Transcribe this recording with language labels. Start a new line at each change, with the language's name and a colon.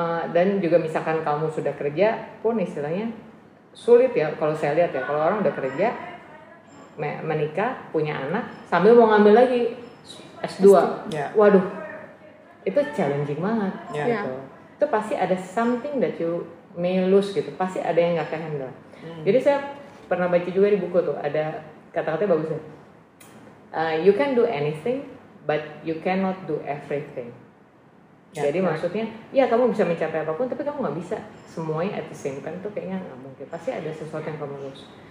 Indonesian: Dan juga misalkan kamu sudah kerja pun istilahnya sulit ya, kalau saya lihat ya, kalau orang udah kerja, menikah, punya anak, sambil mau ngambil lagi S2. Waduh, itu challenging banget, gitu. Itu pasti ada
English: something that you may lose
Indonesian: gitu, pasti ada yang gak kehandle. Jadi saya pernah baca juga di buku tuh, ada kata-katanya bagus ya.
English: You can do anything, but you cannot do everything.
Indonesian: Jadi maksudnya, ya kamu bisa mencapai apapun, tapi kamu gak bisa semuanya
English: at the same time,
Indonesian: tuh kayaknya gak mungkin. Pasti ada sesuatu yang kamu lose.